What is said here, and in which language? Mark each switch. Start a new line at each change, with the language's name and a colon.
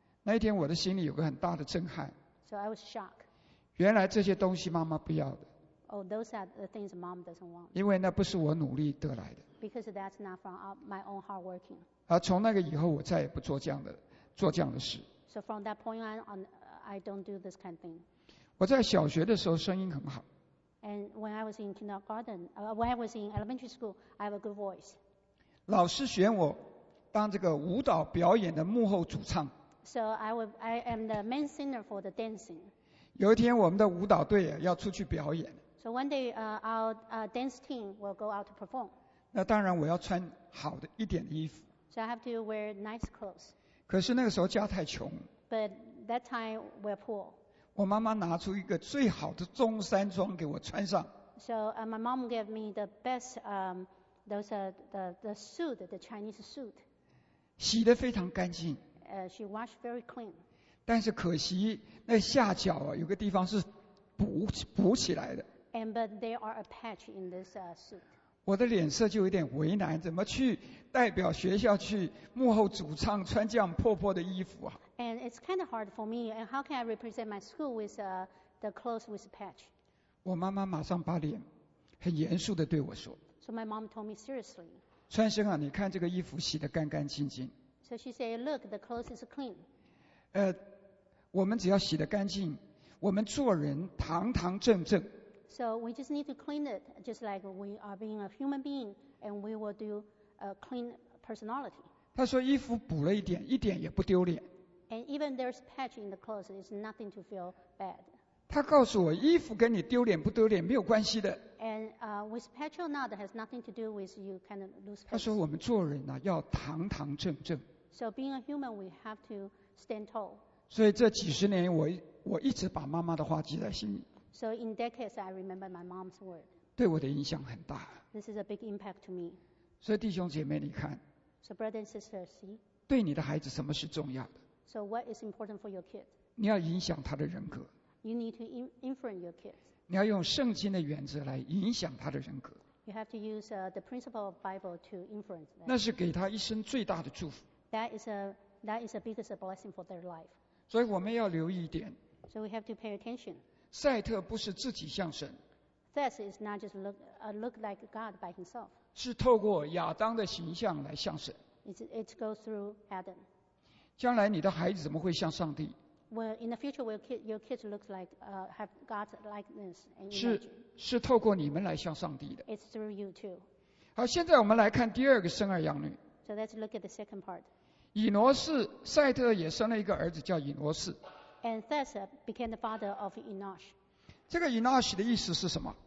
Chinese: 那一天我的心里有个很大的震撼。
English: So I was shocked.
Chinese: 原来这些东西妈妈不要的。
English: Oh, those are the things mom doesn't want.
Chinese: 因为那不是我努力得来的。
English: Because that's not from my own hard working.
Chinese: 从那个以后，我再也不做这样的事。
English: So from that point on, I don't do this kind of thing.
Chinese: 我在小学的时候声音很好。
English: And when I was in kindergarten, when I was in elementary school, I have a good voice.
Chinese: 老师选我当这个舞蹈表演的幕后主唱。
English: So I am the main singer for the dancing.
Chinese: 有一天，我们的舞蹈队要出去表演。
English: So one day, our dance team will go out to perform.
Chinese: 那当然我要穿好的一点的衣服。
English: So I have to wear nice clothes.
Chinese: 可是那个时候家太穷。
English: But that time we're poor.
Chinese: 我妈妈拿出一个最好的中山装给我穿上。
English: So my mom gave me the best the suit, the Chinese suit.
Chinese: 洗得非常干净。
English: She washed very clean.
Chinese: 但是可惜那下脚啊，有个地方是补起来的。
English: And but there are a patch in this suit.
Chinese: 我的脸色就有点为难，怎么去代表学校去幕后主唱穿这样破破的衣服啊
English: ？And it's kind of hard for me. And how can I represent my school with the clothes with patch?
Chinese: 我妈妈马上把脸很严肃地对我说
English: ：So my mom told me seriously.
Chinese: 川生啊，你看这个衣服洗得干干净净。
English: So she said, "Look, the clothes is clean."
Chinese: 我们只要洗得干净，我们做人堂堂正正。
English: So we just need to clean it, just like we are being a human being, and we will do a clean personality.
Chinese: 他说衣服补了一点，一点也不丢脸。
English: And even there's patch in the clothes, it's nothing to feel bad.
Chinese: 他告诉我，衣服跟你丢脸不丢脸没有关系的。
English: And with patch or not, has nothing to do with you kind of lose.
Chinese: 他说我们做人呢、啊，要堂堂正正。
English: So being a human, we have to stand tall.
Chinese: 所以这几十年我一直把妈妈的话记在心里。
English: So in decades, I remember my mom's word.
Chinese: 对我的影响很大。
English: This is a big impact to me.
Chinese: 所以弟兄姐妹，你看。
English: So brothers and sisters, see.
Chinese: 对你的孩子，什么是重要的？
English: So what is important for your kid?
Chinese: 你要影响他的人格。
English: You need to influence your kid.
Chinese: 你要用圣经的原则来影响他的人格。
English: You have to use the principle of Bible to influence them.
Chinese: 那是给他一生最大的祝福。
English: That is a biggest blessing for their life.
Chinese: 所以我们要留意一点。
English: So we have to pay attention.
Chinese: 赛特不是自己像神。
English: Seth is not just look like God by himself.
Chinese: 是透过亚当的形象来像神。
English: It goes through Adam.
Chinese: 将来你的孩子怎么会像上帝？
English: Well, in the future, your kids look like have God's likeness and image.
Chinese: 是透过你们来像上帝的。
English: It's through you too.
Chinese: 好，现在我们来看第二个生儿养女。
English: So let's look at the second part.
Chinese: 以挪士，赛特也生了一个儿子叫以挪士。
English: And Seth became the father of Enosh.
Chinese: 这个 Enosh 的意思是什么？